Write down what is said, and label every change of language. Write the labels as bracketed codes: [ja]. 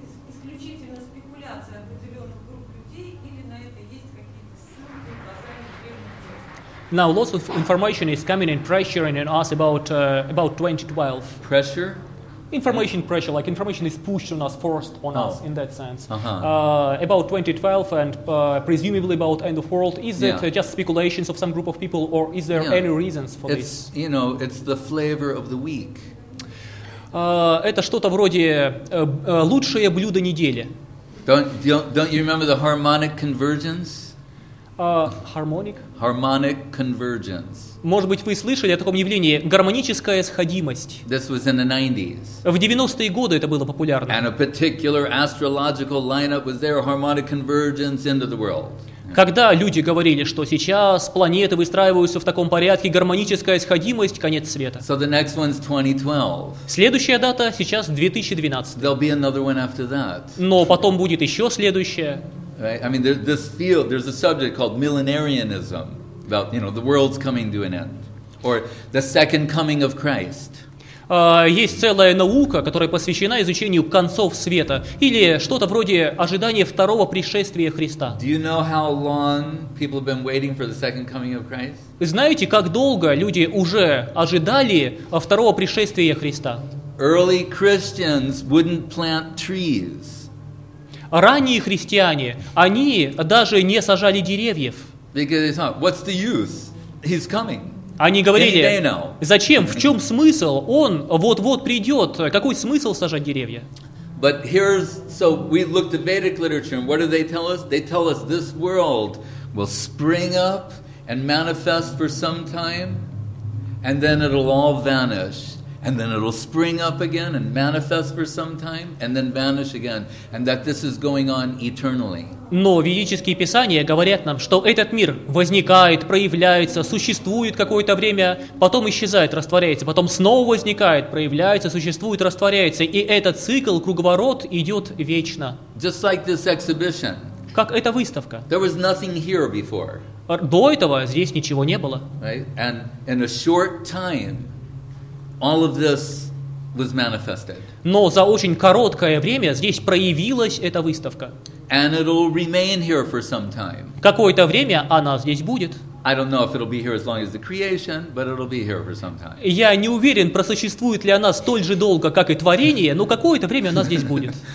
[ru] специализация определенных групп людей или на это есть какие-то ссылки в базаре древних текстов? [en] Now, lots of information is coming in pressuring and asking about 2012. Pressure? Information pressure, like information is pushed on us, forced on us, in that sense. Uh-huh. About 2012 and presumably about end of world, is it just speculations of some group of people, or is there any reasons for this? You know, it's the flavor of the week. [ru] Это что-то вроде лучшее блюдо недели. [en] Don't you remember the harmonic convergence? Harmonic convergence. [ru] Может быть, вы слышали о таком явлении гармоническая сходимость. [en] This was in the 90s. [ru] В 90-е годы это было популярно. [en] And a particular astrological lineup was there, harmonic convergence into the world. [ru] Когда люди говорили, что сейчас планеты выстраиваются в таком порядке, гармоническая сходимость, конец света. [en] So the next one's 2012. [ru] Следующая дата сейчас 2012. [en] There'll be another one after that. [ru] Но потом будет еще следующая. [en] Right? I mean, this field, there's a subject called millenarianism, about, you know, the world's coming to an end, or the second coming of Christ. [ru] Есть целая наука, которая посвящена изучению концов света, или что-то вроде ожидания второго пришествия Христа. [en] Do you know how long people have been waiting for the second coming of Christ? [ru] Знаете, как долго люди уже ожидали второго пришествия Христа? [en] Early Christians wouldn't plant trees. [ru] Ранние христиане, они даже не сажали деревьев. [en] What's the use? He's coming. [ru] Они говорили, зачем, в чем смысл? Он вот-вот придет. Какой смысл сажать деревья? [en] But here's, so we looked at Vedic literature, and what do they tell us? They tell us this world will spring up and manifest for some time, and then it'll all vanish. And then it'll spring up again and manifest for some time and then vanish again. And that this is going on eternally. [ru] Но ведические писания говорят нам, что этот мир возникает, проявляется, существует какое-то время, потом исчезает, растворяется, потом снова возникает, проявляется, существует, растворяется. И этот цикл, круговорот идет вечно. [en] Just like this exhibition. [ru] Как эта выставка. [en] There was nothing here before. [ru] До этого здесь ничего не было. [en] Right? And in a short time, all of this was manifested. [ru] Но за очень короткое время здесь проявилась эта выставка. [en] And it'll remain here for some time. [ru] Какое-то время она здесь будет. [en] I don't know if it'll be here as long as the creation, but it'll be here for some time. [ru] Я не уверен, просуществует ли она столь же долго, как и творение, но какое-то время она здесь будет.